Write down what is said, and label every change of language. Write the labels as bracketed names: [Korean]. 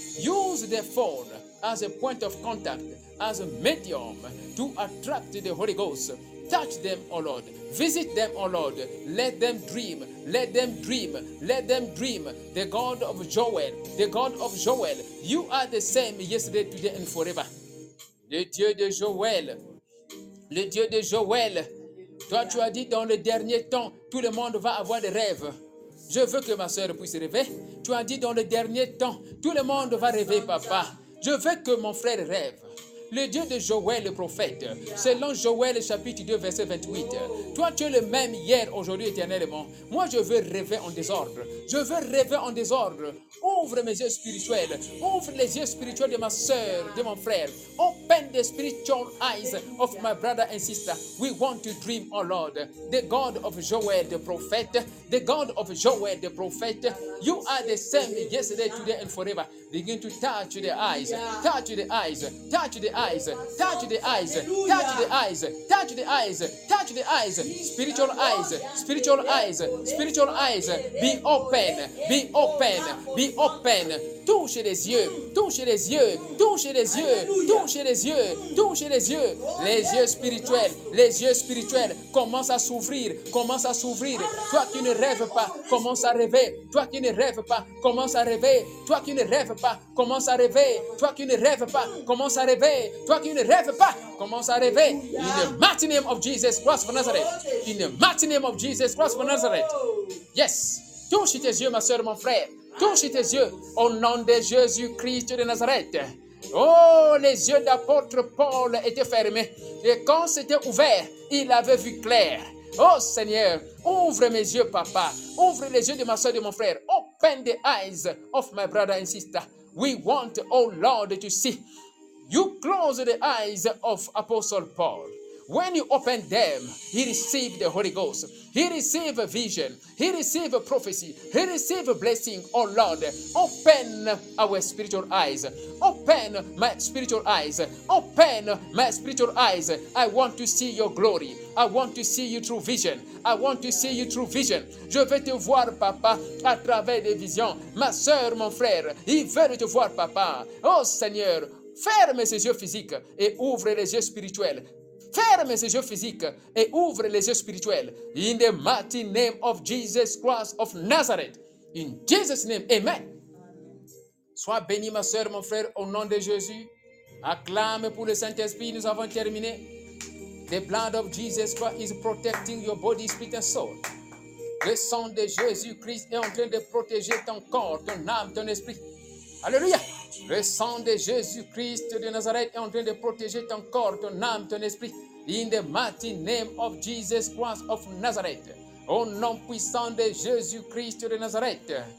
[English] Use their phone as a point of contact, as a medium to attract the Holy Ghost. Touch them, oh Lord. Visit them, oh Lord. Let them dream. Let them dream. Let them dream. The God of Joel. The God of Joel. You are the same yesterday, today, and forever. [French] Le Dieu de Joël. Le Dieu de Joël. Toi, tu as dit dans le dernier temps, tout le monde va avoir des rêves. Je veux que ma sœur puisse rêver. Tu as dit dans le dernier temps, tout le monde va rêver, papa. Je veux que mon frère rêve. le Dieu de Joël le prophète, selon Joël chapitre 2 verset 28. Toi tu es le même hier, aujourd'hui, éternellement. Moi je veux rêver en désordre. Je veux rêver en désordre. Ouvre mes yeux spirituels. Ouvre les yeux spirituels de ma soeur, de mon frère. [English] Open the spiritual eyes of my brother and sister. We want to dream, oh Lord. The God of Joël the prophète. The God of Joël the prophète. You are the same yesterday, today and forever. Begin to touch the eyes. Touch the eyes. Touch the eyes. Touch the eyes. Touch the eyes. Touch the eyes. Touch the eyes. Spiritual eyes. Spiritual eyes. Spiritual eyes. Be open. Be open. Be open. [French] Touche les yeux. Touche les yeux. Touche les yeux. Touche les yeux. Touche les yeux. Les yeux spirituels. Les yeux spirituels. Commence à s'ouvrir. Commence à s'ouvrir. Toi qui ne rêves pas, commence à rêver. Toi qui ne rêves pas, commence à rêver. Toi qui ne rêves pas, commence à rêver. Toi qui ne rêves pas, commence à rêver. Toi qui ne rêves pas, commence à rêver. [English] In the mighty name of Jesus Christ of Nazareth. In the mighty name of Jesus Christ of Nazareth. [French] Yes. Touche tes yeux, ma soeur, mon frère. Touche tes yeux au nom de Jésus-Christ de Nazareth. Oh, les yeux d'apôtre Paul étaient fermés. Et quand c'était ouvert, il avait vu clair. Oh Seigneur, ouvre mes yeux, papa. Ouvre les yeux de ma soeur et de mon frère. [English] Open the eyes of my brother and sister. We want, oh Lord, to see. You close the eyes of Apostle Paul. When you open them, he received the Holy Ghost. He received a vision. He received a prophecy. He received a blessing. Oh Lord, open our spiritual eyes. Open my spiritual eyes. Open my spiritual eyes. I want to see your glory. I want to see you through vision. I want to see you through vision. [French] Je veux te voir, papa, à travers des visions. Ma soeur, mon frère, ils veulent te voir, papa. Oh Seigneur, ferme ses yeux physiques et ouvre les yeux spirituels. Ferme ses yeux physiques et ouvre les yeux spirituels. [English] In the mighty name of Jesus Christ of Nazareth. In Jesus' name, amen. [French] Sois béni, ma soeur, mon frère, au nom de Jésus. Acclame pour le Saint-Esprit, nous avons terminé. [English] The blood of Jesus Christ is protecting your body, spirit and soul. [French] Le sang de Jésus-Christ est en train de protéger ton corps, ton âme, ton esprit. Alléluia! Le sang de Jésus-Christ de Nazareth est en train de protéger ton corps, ton âme, ton esprit. [English] In the mighty name of Jesus Christ of Nazareth. [French] Au nom puissant de Jésus-Christ de Nazareth.